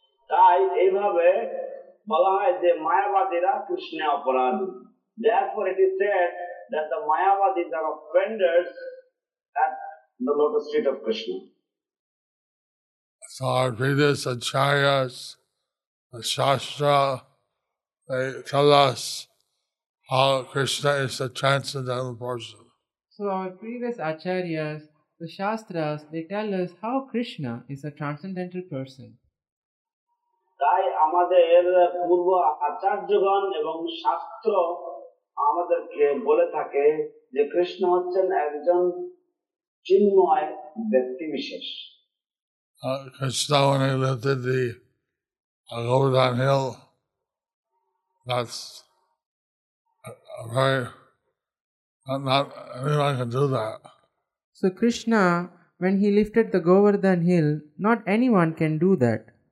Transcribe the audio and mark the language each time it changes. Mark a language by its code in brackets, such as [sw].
[bn] তাই এইভাবে বলা হয় যে মায়াবাদীরা কৃষ্ণে অপরাধী। [en] Therefore it is said that the Mayavadis are offenders at the lotus feet of Krishna. So our previous acharyas, the Shastra, they tell us how Krishna is a transcendental person. So our previous acharyas, the Shastras, they tell us how Krishna is a transcendental person. [bn] তাই আমাদের পূর্ব আচার্যগণ এবং শাস্ত্র আমাদেরকে বলে থাকে যে কৃষ্ণ হচ্ছেন একজন চিন্ময় ব্যক্তি বিশেষ। [en] Krishna, when he lived in the Govardhan Hill, that's a very, not anyone can do that. So Krishna, when he lifted the Govardhan Hill, not anyone can do that.